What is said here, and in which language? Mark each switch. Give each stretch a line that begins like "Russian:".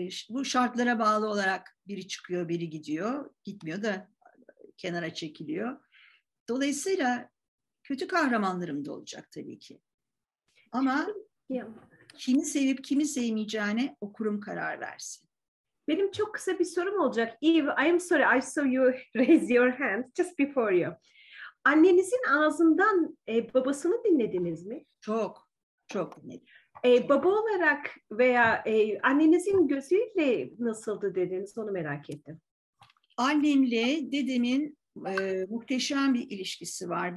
Turkish: Bu şartlara bağlı olarak biri çıkıyor, biri gidiyor. Gitmiyor da kenara çekiliyor. Dolayısıyla kötü kahramanlarım da olacak tabii ki. Ama kimi sevip kimi sevmeyeceğine okurum karar versin. Benim çok kısa bir sorum olacak.
English: Eve, I am sorry I saw you raise your hand just before you.
Turkish: Annenizin ağzından babasını dinlediniz mi? Çok, çok dinledim. Baba olarak veya annenizin gözüyle nasıldı dediniz, onu merak ettim. annemle dedemin muhteşem bir ilişkisi var.